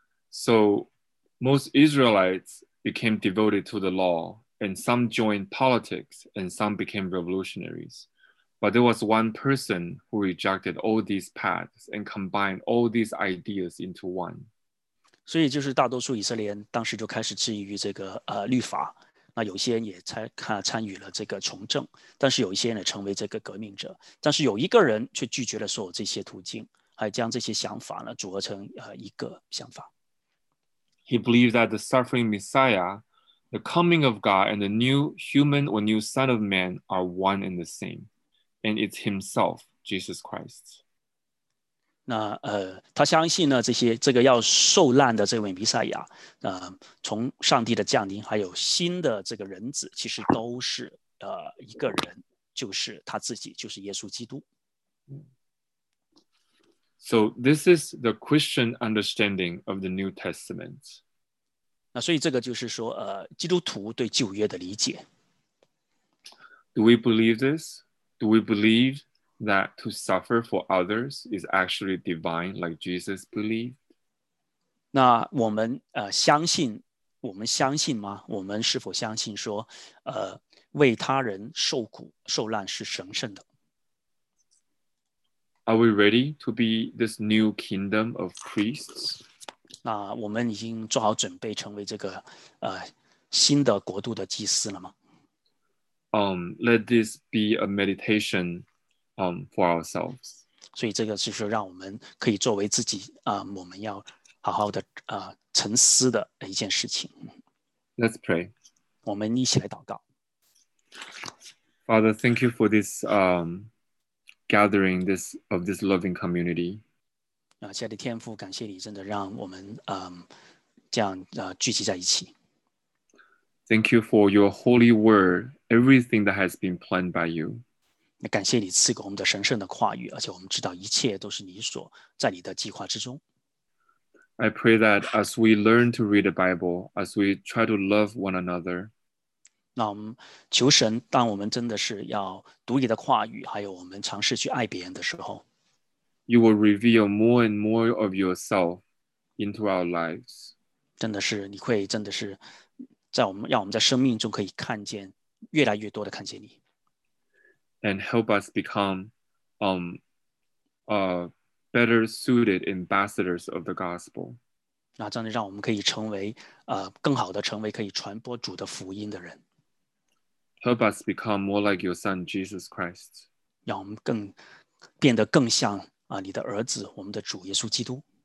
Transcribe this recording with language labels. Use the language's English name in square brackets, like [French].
[English] So most Israelites became devoted to the law. And some joined politics, and some became revolutionaries. But there was one person who rejected all these paths and combined all these ideas into one. [Chinese] 所以就是大多数以色列人当时就开始质疑这个律法。那有些人也参与了这个从政，但是有一些人也成为这个革命者。但是有一个人却拒绝了所有这些途径，还将这些想法呢组合成一个想法。 [English] He believed that the suffering Messiah. The coming of God and the new human or new son of man are one and the same. And it's himself, Jesus Christ. [Chinese] 那他相信呢这个要受难的这位弥赛亚从上帝的降临还有新的这个人子其实都是一个人就是他自己就是耶稣基督。 [English] So this is the Christian understanding of the New Testament. [Chinese] 那所以这个就是说基督徒对旧约的理解。 [English] Do we believe this? Do we believe that to suffer for others is actually divine like Jesus believed? [Chinese] 那我们相信吗？我们是否相信说为他人受苦受难是神圣的？ [English] Are we ready to be this new kingdom of priests? [Chinese] 那我们已经做好准备成为这个新的国度的祭司了吗？ [English] Let this be a meditation for ourselves. [Chinese] 所以这个是说让我们可以作为自己我们要好好的沉思的一件事情。 [English] Let's pray. [Chinese] 我们一起来祷告。 [English] Father, thank you for this gathering of this loving community. [Chinese] 亲爱的天父，感谢你真的让我们这样聚集在一起。 [English] Thank you for your holy word, everything that has been planned by you. [Chinese] 感谢你赐给我们的神圣的话语，而且我们知道一切都是你所在你的计划之中。 [English] I pray that as we learn to read the Bible, as we try to love one another, [Chinese] 那我们求神，当我们真的是要读你的话语，还有我们尝试去爱别人的时候， [English] You will reveal more and more of yourself into our lives. [Chinese] 真的是，你会真的是在我们，让我们在生命中可以看见，越来越多的看见你。 [English] and help us become better suited ambassadors of the gospel. [Chinese] 那真的让我们可以成为更好的成为可以传播主的福音的人。 [English] Help us become more like your son, Jesus Christ. [Chinese] 让我们更变得更像你的儿子我们的主耶稣基督。